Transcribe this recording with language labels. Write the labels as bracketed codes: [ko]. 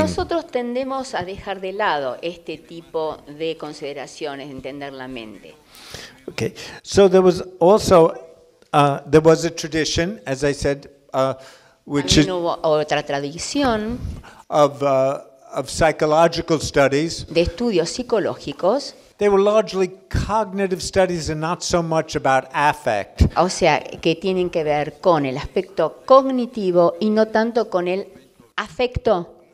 [es] Nosotros tendemos a dejar de lado este tipo de consideraciones, entender la mente. [en] Okay, so there was also there was a tradition, as I said, which is [es] otra tradición [en] of psychological studies. [es] De estudios psicológicos. [en] They were largely cognitive studies and not so much about affect. [es] O sea, que tienen que ver con el aspecto cognitivo y no tanto con el afecto.